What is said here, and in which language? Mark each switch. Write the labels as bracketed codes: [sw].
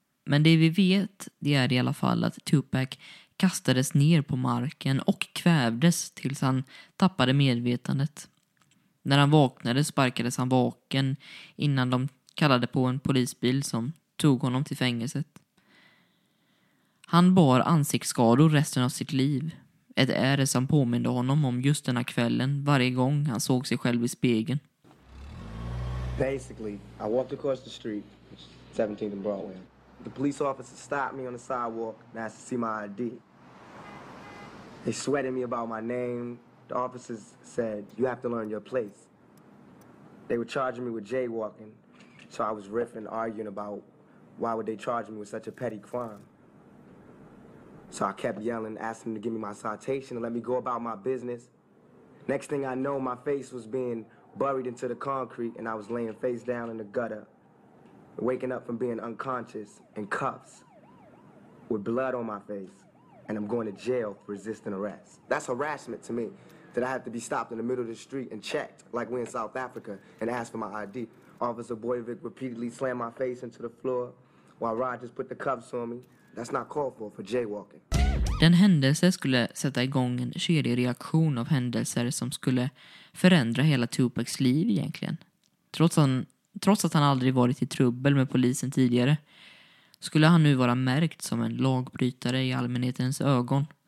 [sv] Men det vi vet det är i alla fall att Tupac kastades ner på marken och kvävdes tills han tappade medvetandet. När han vaknade sparkades han vaken innan de kallade på en polisbil som tog honom till fängelset. Han bar ansiktsskador resten av sitt liv. Ett äre som påminde honom om just den här kvällen varje gång han såg sig själv i spegeln. [en] Basically, I walked across the street, 17th and Broadway. The police officer stopped me on the sidewalk and asked to see my ID. They sweated me about my name. The officers said, you have to learn your place. They were charging me with jaywalking, so I was riffing, arguing about why would they charge me with such a petty crime. So I kept yelling, asking them to give me my citation and let me go about my business. Next thing I know, my face was being buried into the concrete and I was laying face down in the gutter, waking up from being unconscious in cuffs with blood on my face. And I'm going to jail for resisting arrest. That's harassment to me, that I have to be stopped in the middle of the street and checked, like we're in South Africa, and asked for my ID. Officer Boyvik repeatedly slammed my face into the floor while Rogers put the cuffs on me. That's not called for jaywalking. [sv] Den händelse skulle sätta igång en kedjereaktion av händelser som skulle förändra hela Tupacs liv egentligen. Trots att han aldrig varit i trubbel med polisen tidigare, skulle han nu vara märkt som en lagbrytare i allmänhetens ögon.